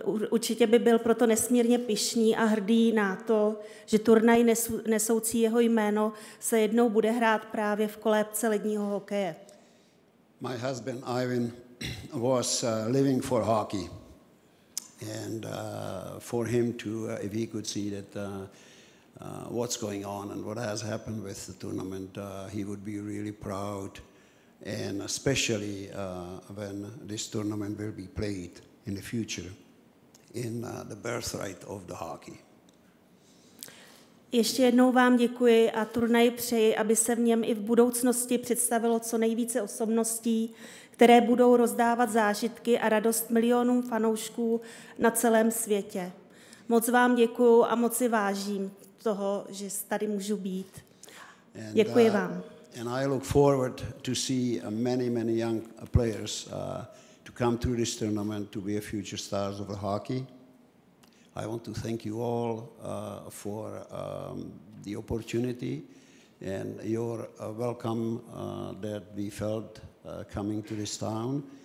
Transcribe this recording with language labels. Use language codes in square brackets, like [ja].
[cs] Určitě by byl proto nesmírně pyšný a hrdý na to, že turnaj nesoucí jeho jméno se jednou bude hrát právě v kolébce ledního hokeje. [en] My husband Ivan was living for hockey, and for him to if he could see that what's going on and what has happened with the tournament, he would be really proud. And especially when this tournament will be played in the future in the birthright of the hockey. [cs] Ještě jednou vám děkuji a turnaj přeji, aby se v něm i v budoucnosti představilo co nejvíce osobností, které budou rozdávat zážitky a radost milionům fanoušků na celém světě. Moc vám děkuji a moc si vážím toho, že tady můžu být. Děkuji vám. [en] And I look forward to see many, many young players to come to this tournament to be a future stars of the hockey. I want to thank you all for the opportunity and your welcome that we felt coming to this town.